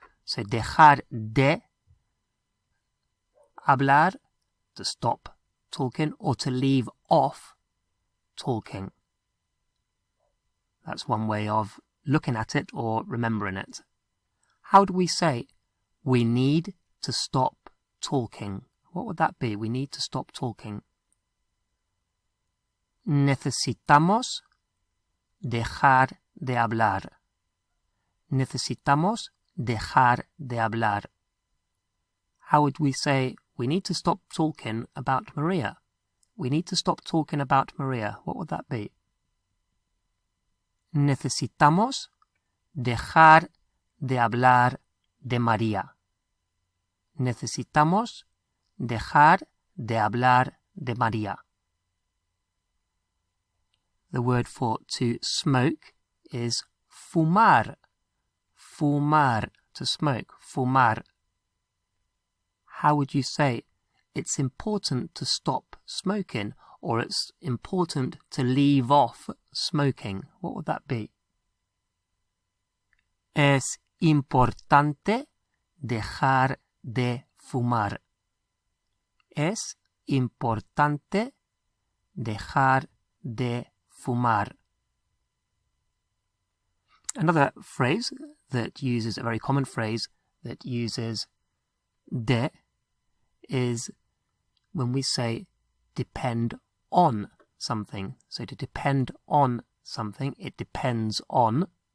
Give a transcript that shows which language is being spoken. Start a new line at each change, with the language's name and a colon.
English: So,
Spanish: dejar de hablar,
English: to stop talking, or to leave off talking. That's one way of looking at it or remembering it. How do we say, we need to stop talking? What would that be? We need to stop talking.
Spanish: Necesitamos dejar de hablar. Necesitamos dejar de hablar.
English: How would we say, we need to stop talking about Maria? We need to stop talking about Maria. What would that be?
Spanish: Necesitamos dejar de hablar de Maria. Necesitamos dejar de hablar de Maria.
English: The word for to smoke is fumar. Fumar, to smoke, fumar. How would you say, it's important to stop smoking, or it's important to leave off smoking? What would that be?
Spanish: Es importante dejar de fumar. Es importante dejar de fumar.
English: Another phrase that uses, a very common phrase that uses de, is when we say depend on something. So to depend on something, it depends on.